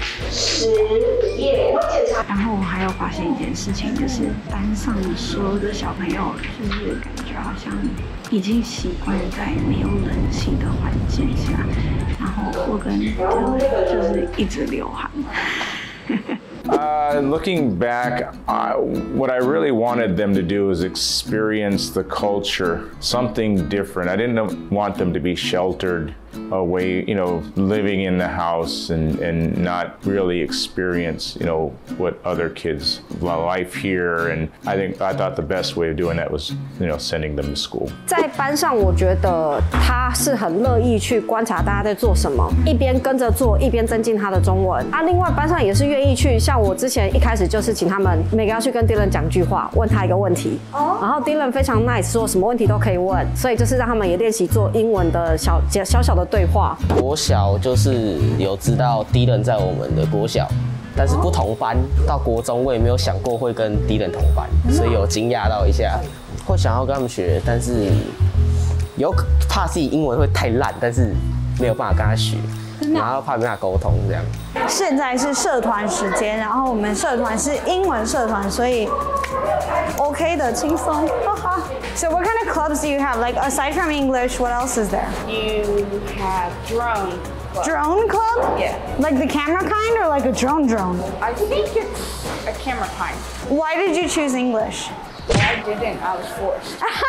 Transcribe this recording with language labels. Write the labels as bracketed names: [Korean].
[Chinese] 10页。然后我还要发现一件事情，就是班上所有的小朋友，就是感觉好像已经习惯在没有冷气的环境下，然后我跟就是一直流汗。 [English] Looking back, what I really wanted them to do is experience the culture, something different. I didn't want them to be sheltered away, you know, living in the house and not really experience, you know, what other kids' life here. And I thought the best way of doing that was, you know, sending them to school. [Chinese] 在班上，我觉得他是很乐意去观察大家在做什么，一边跟着做，一边增进他的中文。啊，另外班上也是愿意去，像我之前一开始就是请他们每个要去跟 Dylan 讲句话，问他一个问题。然后 Dylan 非常 nice， 说什么问题都可以问，所以就是让他们也练习做英文的小小的对话。国小就是有知道 Dylan 在我们的国小，但是不同班。到国中我也没有想过会跟 Dylan 同班，所以有惊讶到一下。会想要跟他们学，但是有怕自己英文会太烂，但是没有办法跟他学。然后怕跟他沟通这样。现在是社团时间，然后我们社团是英文社团，所以 OK 的，轻松。 [English] So what kind of clubs do you have? Like aside from English, what else is there? You have drone club. Drone club? Yeah. Like the camera kind or like a drone drone? I think it's a camera kind. Why did you choose English? I didn't. I was forced.